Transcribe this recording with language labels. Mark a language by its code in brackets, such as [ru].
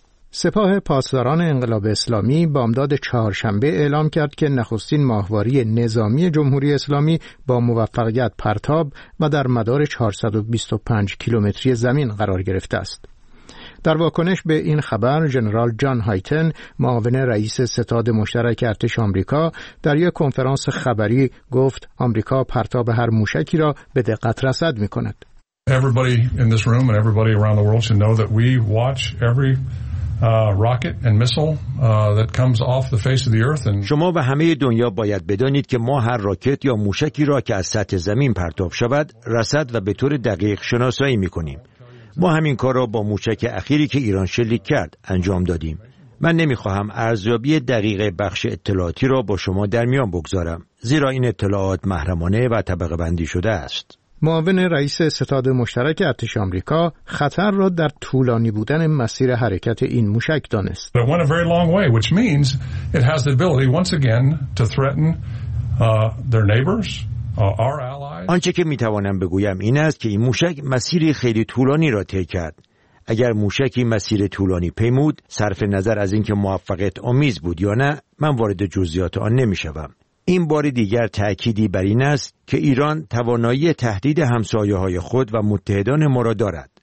[fa] سپاه پاسداران انقلاب اسلامی بامداد چهارشنبه اعلام کرد که نخستین ماهواره نظامی جمهوری اسلامی با موفقیت پرتاب و در مدار 425 کیلومتری زمین قرار گرفته است. در واکنش به این خبر، جنرال جان هایتن، معاون رئیس ستاد مشترک ارتش آمریکا، در یک کنفرانس خبری گفت آمریکا پرتاب هر موشکی را به دقت رصد می‌کند. [en] Everybody in this room and everybody around the world should know that we watch every rocket and missile that comes off the face of the earth. [fa] شما و همه دنیا باید بدانید که ما هر راکت یا موشکی را که از سطح زمین پرتاب شود، رصد و به طور دقیق شناسایی می‌کنیم. ما همین کار را با موشک اخیری که ایران شلیک کرد انجام دادیم. من نمیخواهم ارزیابی دقیق بخش اطلاعاتی را با شما در میان بگذارم، زیرا این اطلاعات محرمانه و طبقه بندی شده است. معاون رئیس ستاد مشترک ارتش آمریکا خطر را در طولانی بودن مسیر حرکت این موشک دانست. [en] It went a very long way, which means it has the ability once again to threaten their neighbors. [fa] آنچه که می توانم بگویم این است که این موشک مسیر خیلی طولانی را طی کرد. اگر موشکی مسیر طولانی پیمود، صرف نظر از اینکه موفقیت آمیز بود یا نه، من وارد جزئیات آن نمی شوم. این بار دیگر تأکیدی بر این است که ایران توانایی تهدید همسایه های خود و متحدان ما را دارد.